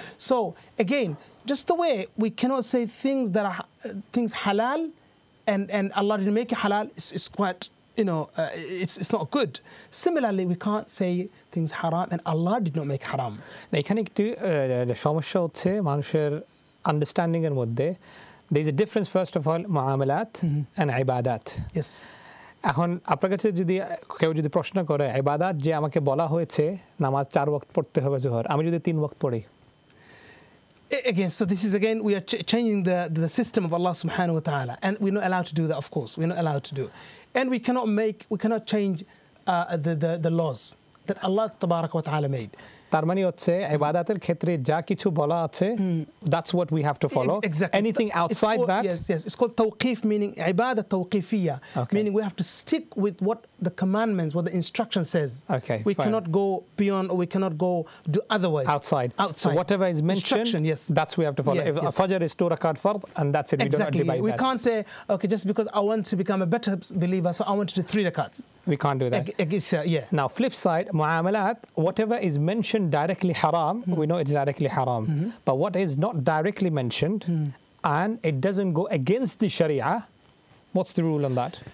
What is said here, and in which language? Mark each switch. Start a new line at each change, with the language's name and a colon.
English: So again, just the way we cannot say things that are things halal and Allah didn't make it halal, it's quite, you know, it's not good. Similarly, we can't say things haram and Allah did not make haram. Now, you can do the shomashot say, manushir, understanding and what they. There's a difference, first of all, mu'amalat and ibadat. Yes.
Bangla: এখন আপনার কাছে যদি কেউ যদি প্রশ্ন করে ইবাদাত যে আমাকে বলা হয়েছে নামাজ চার ওয়াক্ত পড়তে হবে জোহর আমি যদি তিন ওয়াক্ত পড়ি
English: Again, so this is again, we are changing the system of Allah subhanahu wa ta'ala. And we're not allowed to do that, of course. We're not allowed to do. And we cannot make, we cannot change the laws that Allah tabarak wa ta'ala made.
Bangla: তার মানে হচ্ছে ইবাদাতের ক্ষেত্রে যা কিছু বলা আছে
English: That's what we have to follow exactly anything outside that yes yes it's called তাওকিফ meaning ইবাদাত তাওকিফিয়া meaning we have to stick with what the commandments what the instruction says okay we can't go beyond or we can't go do otherwise outside so whatever is mentioned that's we have to follow if ফজর is two রাকাত ফরদ and that's it we don't debate that we can't say okay just because I want to become a better believer so I want to do 3 রাকাতস We can't do that. Now, flip side, mu'amalat, whatever is mentioned directly haram, we know it's directly haram. But what is not directly mentioned and it doesn't go against the sharia, what's the rule on that?